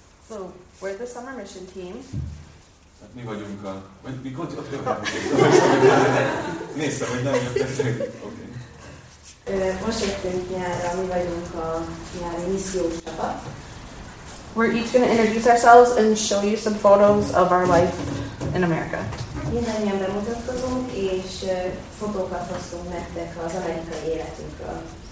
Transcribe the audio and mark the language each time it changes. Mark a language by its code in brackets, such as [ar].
[en] So, we're the summer mission team. [hu] Mi vagyunk a... Néztem, hogy nem jöttünk. Most jöttünk nyára, mi vagyunk a nyári missziós csapat. [en] We're each going to introduce ourselves and show you some photos of our life in America. [hu] Mindannyian bemutatkozunk, és fotókat hoztunk nektek az amerikai életünkről.